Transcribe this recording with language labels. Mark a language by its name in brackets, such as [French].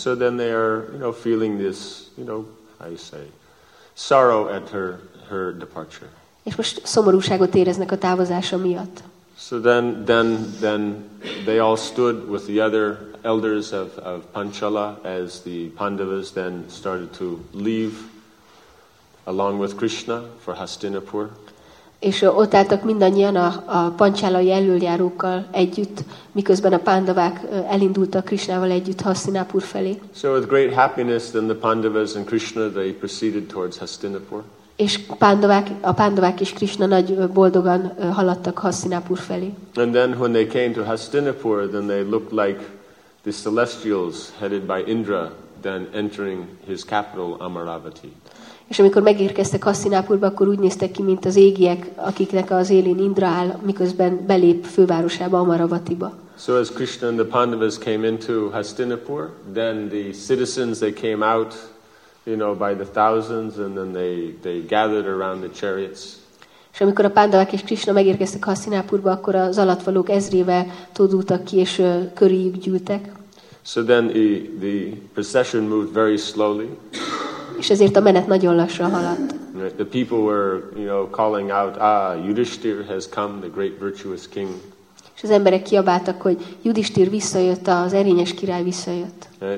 [English] So then they are, you know, feeling this, you know, I say, sorrow at her departure. [Hungarian] És most szomorúságot éreznek a távozása miatt. [English] So then they all stood with the other elders of Panchala as the Pandavas then started to leave along with Krishna for Hastinapur. [Hungarian] És ott álltak mindannyian a pancsálai elöljárókkal együtt, miközben a pándavák elindultak Krishnával együtt Hastinapur felé. [English] So with great happiness then the Pandavas and Krishna they proceeded towards Hastinapur. [Hungarian] És a pándavák és Krishna nagy boldogan haladtak Hastinapur felé. [English] And then when they came to Hastinapur then they looked like the celestials headed by Indra then entering his capital Amaravati. [Hungarian] És amikor megérkeztek Hastinapurba, akkor úgy néztek ki, mint az égiek, akiknek az élén Indra áll, miközben belép fővárosába, Amaravatiba. [English] So as Krishna and the Pandavas came into Hastinapur, then the citizens, they came out, you know, by the thousands, and then they gathered around the chariots. [Hungarian] És amikor a Pandavák és Krishna megérkeztek Hastinapurba, akkor az alattvalók ezrével tudultak ki, és körüljük gyűltek. [English] So then the procession moved very slowly. [Hungarian] És ezért a menet nagyon lassan haladt. [English] The people were, you know, calling out, ah, Yudhishthir has come, the great virtuous king. [Hungarian] És az emberek kiabáltak, hogy Yudhishthir visszajött, az erényes király visszajött.